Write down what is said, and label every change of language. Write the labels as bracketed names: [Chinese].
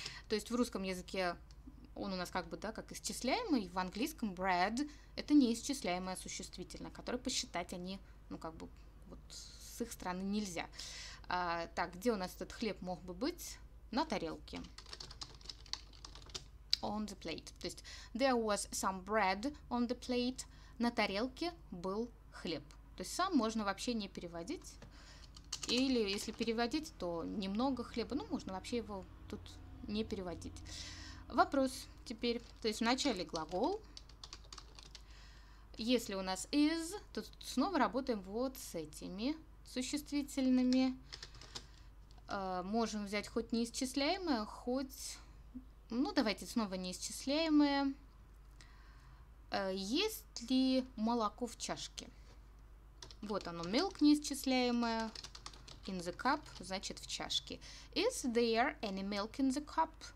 [Russian] То есть в русском языке он у нас как бы, да, как исчисляемый, в английском bread – это неисчисляемое существительное, которое посчитать они, ну, как бы, вот с их стороны нельзя. Так, где у нас этот хлеб мог бы быть? На тарелке. [English] On the plate. [Russian] То есть, [English] there was some bread on the plate. [Russian] На тарелке был хлеб. То есть, сам можно вообще не переводить. Или, если переводить, то немного хлеба. Ну, можно вообще его тут не переводить. Вопрос теперь, то есть в начале глагол, если у нас is, то тут снова работаем вот с этими существительными, можем взять хоть неисчисляемое, хоть, ну давайте снова неисчисляемое, есть ли молоко в чашке, вот оно, milk неисчисляемое, in the cup, значит в чашке, [English] is there any milk in the cup,